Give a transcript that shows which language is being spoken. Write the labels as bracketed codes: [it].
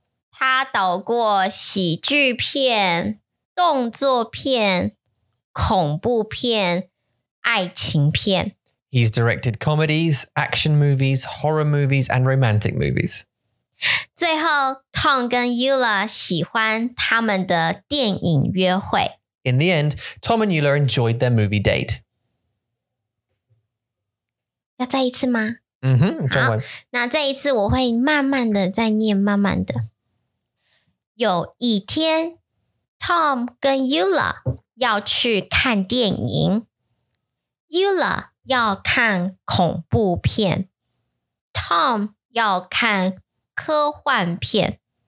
[zh] 他导过喜剧片、动作片、恐怖片、爱情片。 [en] He's directed comedies, action movies, horror movies, and romantic movies. [zh] 最后 ,Tom 跟 Eula 喜欢他们的电影约会。 [en] In the end, Tom and Eula enjoyed their movie date. [zh] 要再一次吗？ Mm-hmm, 好，那这一次我会慢慢的再念，慢慢的。有一天 ，Tom 跟 Eula 要去看电影 ，Eula 要看恐怖片 ，Tom 要看科幻片。